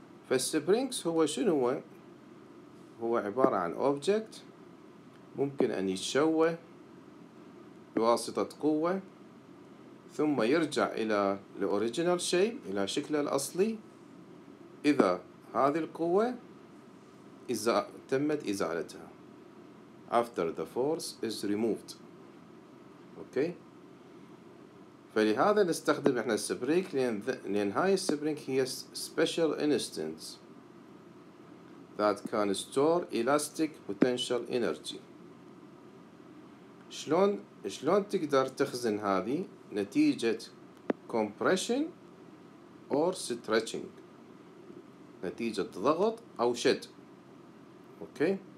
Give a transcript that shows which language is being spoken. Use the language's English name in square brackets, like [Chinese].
[Arabic] فالسبرينكس هو شنو هو؟ هو عبارة عن اوبجكت ممكن ان يتشوه بواسطة قوة، ثم يرجع إلى [English] the original shape، [Arabic] إلى شكله الأصلي. إذا هذه القوة تمت إزالتها، [English] after the force is removed، [Arabic] okay. فلهذا نستخدم إحنا السبرينك، لأن هاي السبرينك هي [English] special instance that can store elastic potential energy. [Arabic] شلون تقدر تخزن هذه؟ نتيجة [English] compression or stretching، [Arabic] نتيجة ضغط أو شد، okay.